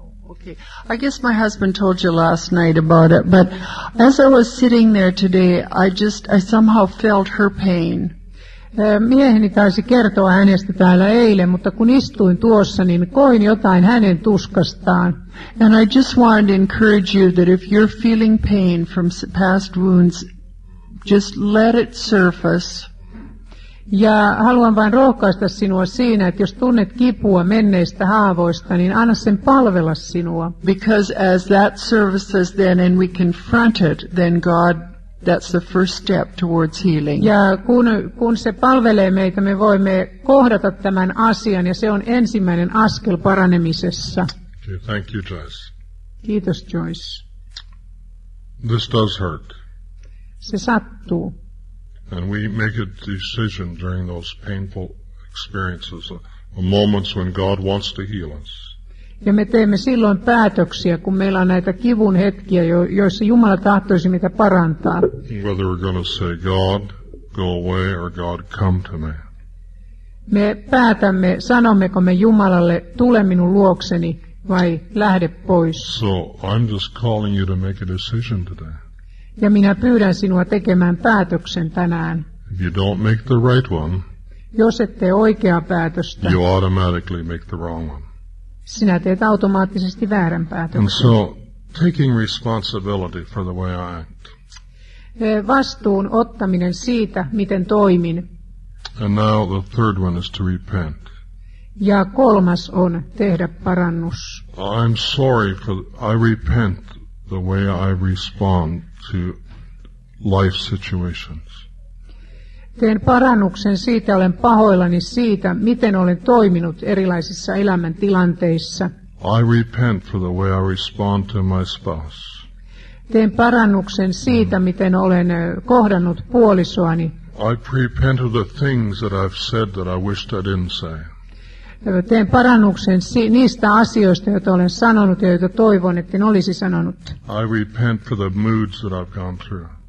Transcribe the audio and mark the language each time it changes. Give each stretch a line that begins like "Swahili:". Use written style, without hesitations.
English: Okay. I guess my husband told you last night about it, but as I was sitting there today, I somehow felt her pain.
Finnish: Mieheni taisi kertoa hänestä täällä eilen, mutta kun istuin tuossa, niin koin jotain hänen tuskastaan.
English: And I just wanted to encourage you that if you're feeling pain from past wounds, just let it surface.
Finnish: Ja haluan vain rohkaista sinua siinä, että jos tunnet kipua menneistä haavoista, niin anna sen palvella sinua.
English: Because as that surfaces then and we confront it, then God... That's the first step towards healing.
Finnish: Ja kun se palvelee meitä, me voimme kohdata tämän asian, ja se on ensimmäinen askel paranemisessa.
English: Okay, thank you, Joyce.
Finnish: Kiitos, Joyce.
English: This does hurt.
Finnish: Se sattuu.
English: And we make a decision during those painful experiences, moments when God wants to heal us.
Finnish: Ja me teemme silloin päätöksiä, kun meillä on näitä kivun hetkiä, joissa Jumala tahtoisi meitä parantaa.
English: Whether we're going to say, God, go away, or God, come to me.
Finnish: Me päätämme, sanommeko me Jumalalle, tule minun luokseni, vai lähde pois.
English: So, I'm just calling you to make a decision today.
Finnish: Ja minä pyydän sinua tekemään päätöksen tänään.
English: If you don't make the right one,
Finnish: jos ette oikea päätöstä,
English: you automatically make the wrong one.
Finnish: Sinä teet automaattisesti väärän päätöksen.
English: And so, taking responsibility for the way I act.
Finnish: Vastuun ottaminen siitä, miten toimin.
English: And now the third one is to repent.
Finnish: Ja kolmas on tehdä parannus.
English: I'm sorry for I repent the way I respond to life situations.
Finnish: Teen parannuksen siitä, olen pahoillani siitä, miten olen toiminut erilaisissa elämäntilanteissa.
English: I repent for the way I respond to my spouse.
Finnish: Teen parannuksen siitä, miten olen kohdannut puolisoani.
English: I repent of the things that I've said that I wished I didn't say.
Finnish: Teen parannuksen niistä asioista, joita olen sanonut ja joita toivon, että en olisi sanonut.
English: I repent for the moods that I've gone through.